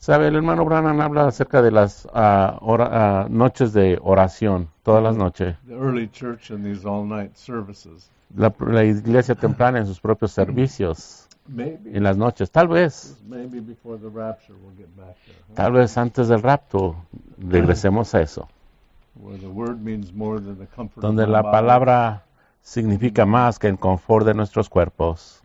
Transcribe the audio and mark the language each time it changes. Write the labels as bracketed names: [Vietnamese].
[Spanish] Sabe, el hermano Branham habla acerca de las noches de oración, todas las noches. [English] The early church and these all-night services. [Spanish] La iglesia temprana en sus propios servicios. [English] Maybe. [Spanish] En las noches, tal vez. [English] Maybe before the rapture we'll get back there. Huh? [Spanish] Tal vez antes del rapto regresemos a eso. [English] Where the word means more than the comfort. [Spanish] Donde la palabra significa más que el confort de nuestros cuerpos.